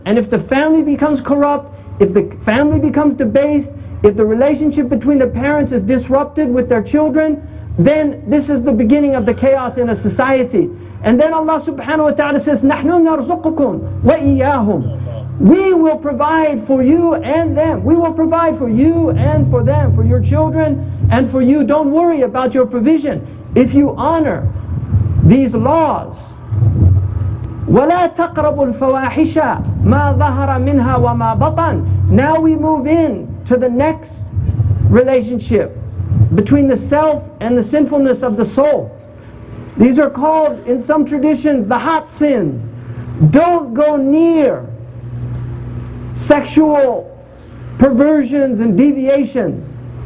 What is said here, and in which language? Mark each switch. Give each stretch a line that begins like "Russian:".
English: And if the family becomes corrupt, if the family becomes debased, if the relationship between the parents is disrupted with their children, then this is the beginning of the chaos in a society. And then Allah subhanahu wa ta'ala says,
Arabic: نَحْنُ نَرْزُقُكُمْ وَإِيَّاهُمْ.
English: We will provide for you and them. We will provide for you and for them, for your children and for you. Don't worry about your provision. If you honor these laws,
Arabic: وَلَا تَقْرَبُوا الْفَوَاحِشَ مَا ظَهَرَ مِنْهَا وَمَا بَطَنَ.
English: Now we move in to the next relationship between the self and the sinfulness of the soul. These are called in some traditions the hot sins. Don't go near sexual perversions and deviations.